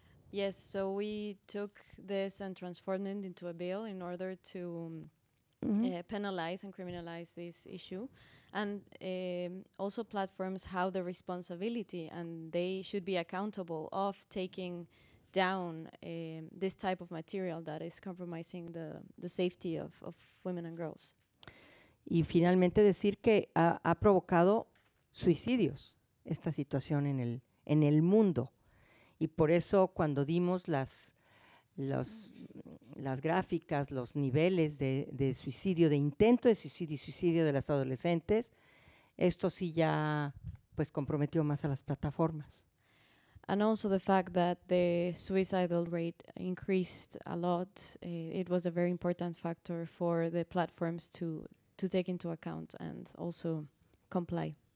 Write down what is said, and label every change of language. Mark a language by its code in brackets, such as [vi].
[en] Yes, so we took this and transformed it into a bill in order to penalize and criminalize this issue. And also platforms have the responsibility, and they should be accountable of taking down this type of material that is compromising the safety of women and girls. [es] Y finalmente decir que ha provocado suicidios esta situación en el mundo, y por eso cuando dimos las gráficas, los niveles de suicidio, de intento de suicidio y suicidio de las adolescentes, esto sí ya pues comprometió más a las plataformas. [en] And also the fact that the suicidal rate increased a lot, it was a very important factor for the platforms to take into account and also comply.